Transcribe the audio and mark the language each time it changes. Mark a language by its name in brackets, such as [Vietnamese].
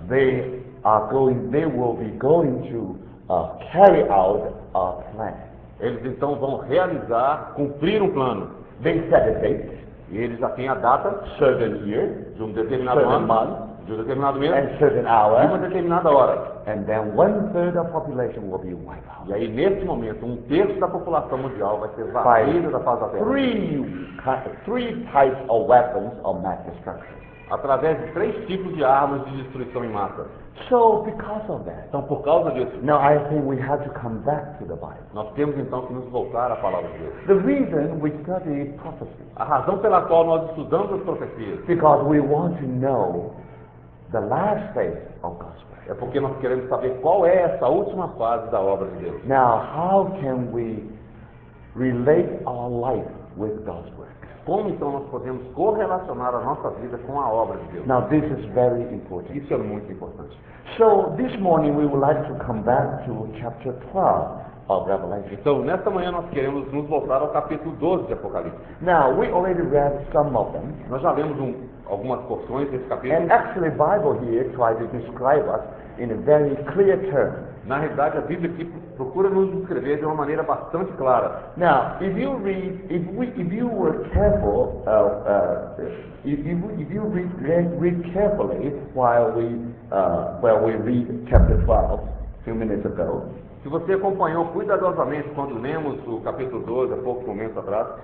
[English] They will be going to carry out a plan. [Portuguese] Eles então vão realizar, cumprir um plano. [English] They set a date. [Portuguese] E ele já tem a data, [English] certain year, [Portuguese] de um determinado [English] certain [Portuguese] ano, [English] month, [Portuguese] de um determinado mês, [English] and certain hour, [Portuguese] de uma determinada hora. [English] And then one third of population will be wiped out. [Portuguese] E aí, nesse momento, um terço da população mundial vai ser varrida da face da Terra. [English] Three types of weapons of mass destruction. [Portuguese] Através de três tipos de armas de destruição em massa. [English] So, because of that, [Portuguese] então, por causa disso, [English] now I think we have to come back to the Bible. [Portuguese] Nós temos então que nos voltar à palavra de Deus. [English] The reason we study prophecy. [Portuguese] A razão pela qual nós estudamos as profecias. [English] Because we want to know the last phase of God's word. [Portuguese] É porque nós queremos saber qual é essa última fase da obra de Deus. [English] Now, how can we relate our life with God's word? [Portuguese] Como então nós podemos correlacionar a nossa vida com a obra de Deus? [English] Now, this is very important. [Portuguese] Isso é muito importante. [English] So, this morning we would like to come back to chapter 12 of Revelation. [Portuguese] Então, nesta manhã nós queremos nos voltar ao capítulo 12 de Apocalipse. [English] Now, we already read some of them. [Portuguese] Nós já lemos algumas porções desse capítulo. [English] And actually, Bible here tries to describe us in a very clear term. [Portuguese] Na realidade, a Bíblia aqui procura nos descrever de uma maneira bastante clara. [English] Now, if you read, if you read carefully while we read chapter 12 a few minutes ago. [Portuguese] Se você acompanhou cuidadosamente quando lemos o capítulo 12 há poucos momentos atrás,